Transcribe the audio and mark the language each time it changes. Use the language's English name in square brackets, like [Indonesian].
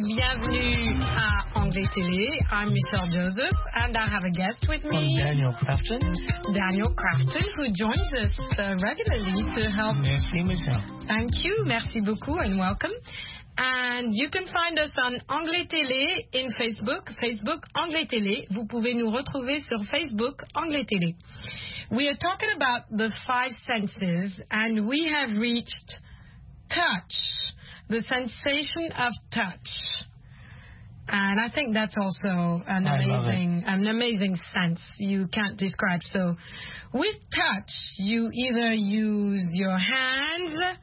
[French] Bienvenue à Anglais Télé. [English] I'm Michelle Joseph, and I have a guest with me. Daniel Crafton. Daniel Crafton, who joins us regularly to help. [French] Merci, Michelle. [English] Thank you. Merci beaucoup, and welcome. And you can find us on Anglais Télé in Facebook. Facebook Anglais Télé. [French] Vous pouvez nous retrouver sur Facebook Anglais Télé. [English] We are talking about the five senses, and we have reached touch, the sensation of touch. And I think that's also an amazing sense you can't describe. So with touch, you either use your hands